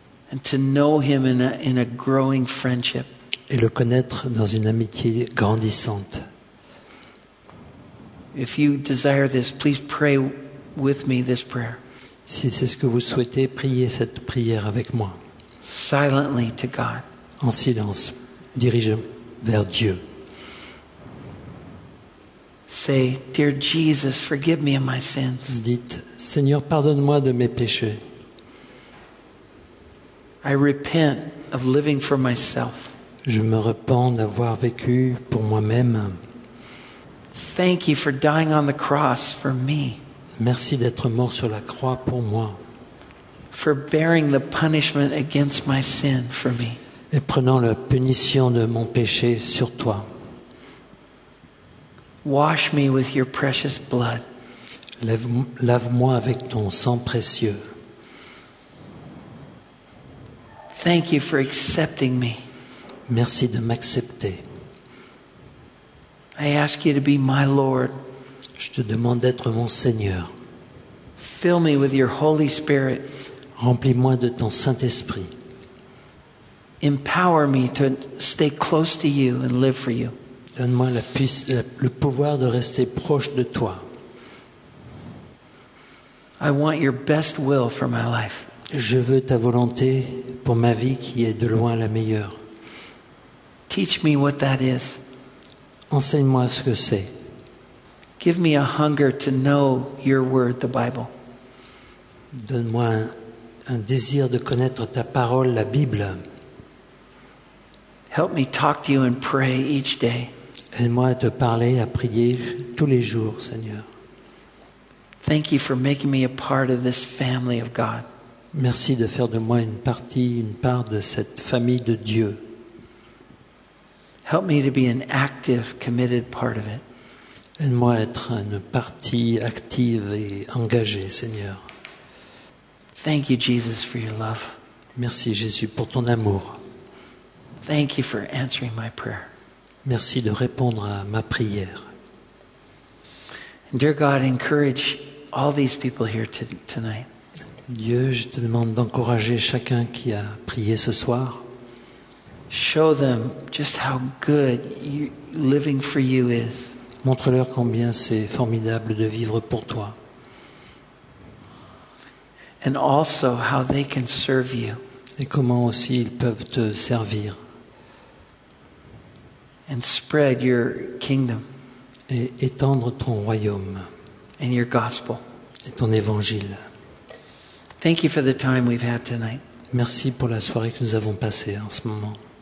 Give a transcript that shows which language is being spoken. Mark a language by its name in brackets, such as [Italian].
[English] And to know him in a growing friendship. [French] Et le connaître dans une amitié grandissante. [English] If you desire this, please pray with me this prayer. [French] Si c'est ce que vous souhaitez, priez cette prière avec moi. [English] Silently to God. [French] En silence, dirigez-vous vers Dieu. [English] Say, dear Jesus, forgive me of my sins. [French] Dites, Seigneur, pardonne-moi de mes péchés. [English] I repent of living for myself. [French] Je me repens d'avoir vécu pour moi-même. [English] Thank you for dying on the cross for me. [French] Merci d'être mort sur la croix pour moi. [English] For bearing the punishment against my sin for me. [French] Et prenant la punition de mon péché sur toi. [English] Wash me with your precious blood. [French] Lave-moi avec ton sang précieux. [English] Thank you for accepting me. [French] Merci de m'accepter. [English] I ask you to be my Lord. [French] Je te demande d'être mon Seigneur. [English] Fill me with your Holy Spirit. [French] Remplis-moi de ton Saint-Esprit. [English] Empower me to stay close to you and live for you. [French] Donne-moi le pouvoir de rester proche de toi. [English] I want your best will for my life. [French] Je veux ta volonté pour ma vie qui est de loin la meilleure. [English] Teach me what that is. [French] Enseigne-moi ce que c'est. [English] Give me a hunger to know your word, the Bible. [French] Donne-moi un désir de connaître ta parole, la Bible. [English] Help me talk to you and pray each day. [French] Aide-moi à te parler, à prier tous les jours, Seigneur. [English] Thank you for making me a part of this family of God. [French] Merci de faire de moi une part de cette famille de Dieu. [English] Help me to be an active, committed part of it. [French] Aide-moi à être une partie active et engagée, Seigneur. [English] Thank you, Jesus, for your love. [French] Merci, Jésus, pour ton amour. [English] Thank you for answering my prayer. [French] Merci de répondre à ma prière. [English] Dear God, encourage all these people here tonight. [French] Dieu, je te demande d'encourager chacun qui a prié ce soir. [English] Show them just how good living for you is. [French] Montre-leur combien c'est formidable de vivre pour toi. [English] And also how they can serve you. [French] Et comment aussi ils peuvent te servir. [English] And spread your kingdom. [French] Et étendre ton royaume. [English] And your gospel. [French] Et ton évangile. [English] Thank you for the time we've had tonight. [French] Merci pour la soirée que nous avons passée en ce moment.